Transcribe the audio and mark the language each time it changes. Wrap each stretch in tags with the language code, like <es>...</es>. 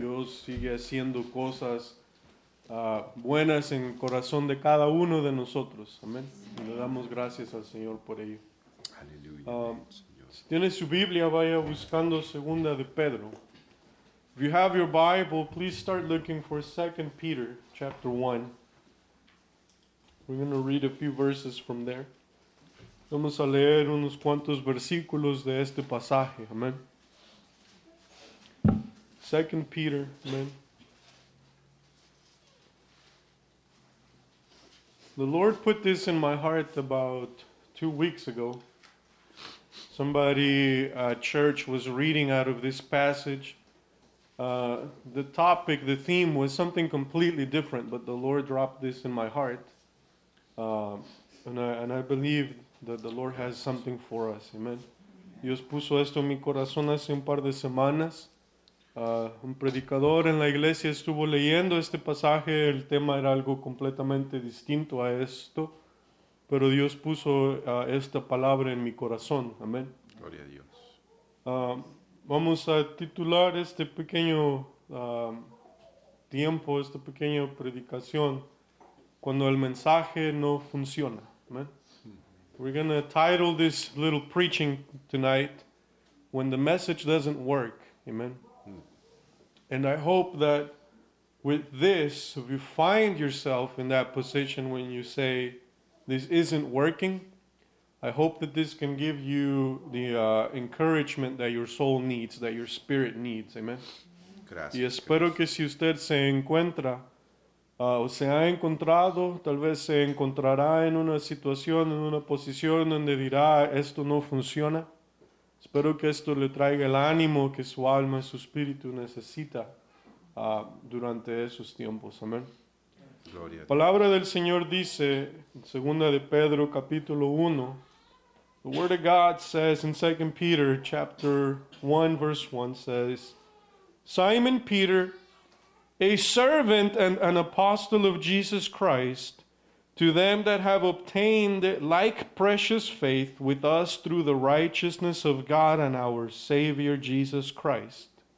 <es>Dios sigue haciendo cosas buenas en el corazón de cada uno de nosotros. Amen. Y le damos gracias al Señor por ello. Aleluya. Si tiene su Biblia, vaya buscando Segunda de Pedro.</es> <en>If you have your Bible, please start looking for 2 Peter chapter 1. We're going to read a few verses from there.</en> <es>Vamos a leer unos cuantos versículos de este pasaje.</es> <en>Amen. 2 Peter, amen. The Lord put this in my heart about 2 weeks ago. Somebody at church was reading out of this passage. The topic, the theme was something completely different, but the Lord dropped this in my heart. And I believe that the Lord has something for us. Amen.</en> <es>Dios puso esto en mi corazón hace un par de semanas. Un predicador en la iglesia estuvo leyendo este pasaje. El tema era algo completamente distinto a esto. Pero Dios puso esta palabra en mi corazón. Amen. Gloria a Dios. Vamos a titular este pequeño tiempo, esta pequeña predicación, cuando el mensaje no funciona. Amen.</es> <en>We're going to title this little preaching tonight, When the Message Doesn't Work. Amen. And I hope that with this, if you find yourself in that position when you say, this isn't working, I hope that this can give you the encouragement that your soul needs, that your spirit needs. Amen.</en> <es>Gracias. Y espero que si usted se encuentra o se ha encontrado, tal vez se encontrará en una situación, en una posición donde dirá, esto no funciona. Espero que esto le traiga el ánimo que su alma y su espíritu necesita durante esos tiempos. Amén. Gloria. La palabra del Señor dice, en 2 de Pedro capítulo 1,</es> <en>the word of God says in 2 Peter chapter 1 verse 1 says, Simon Peter, a servant and an apostle of Jesus Christ, to them that have obtained like precious faith with us through the righteousness of God and our Savior Jesus Christ.</en>